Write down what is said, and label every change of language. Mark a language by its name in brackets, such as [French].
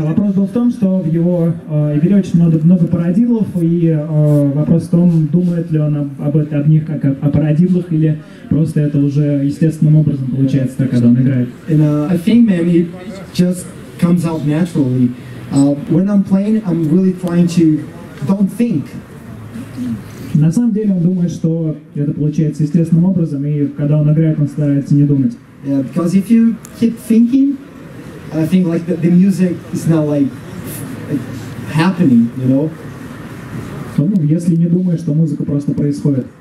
[Russian] вопрос был в том, что в его игре очень много парадидлов, и вопрос в том, думает ли он об них как о парадидлах, или просто это уже естественным образом получается, так, когда он играет. [English] And, I think maybe it just comes out naturally. When I'm playing, I'm really trying to don't think. [Russian] На самом деле, он думает, что это получается естественным образом, и когда он играет, он старается не думать. [English] Yeah, because if you keep thinking, I think like the music is not like happening, you know. [Russian] То, ну, если не думаешь, то музыка просто происходит.